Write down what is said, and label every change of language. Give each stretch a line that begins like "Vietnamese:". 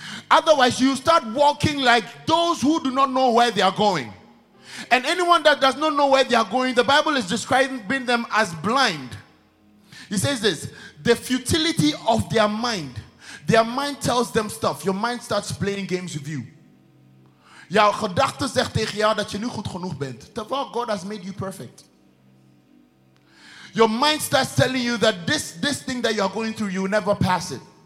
English: Otherwise, you start walking like those who do not know where they are going. And anyone that does not know where they are going, the Bible is describing them as blind. He says this, the futility of their mind. Their mind tells them stuff. Your mind starts playing games with you.
Dutch: Jouw gedachte zegt tegen jou dat je nu goed genoeg bent. Terwijl
English: God has made you perfect. Your mind starts telling you that this thing that you are going through, you will never pass it.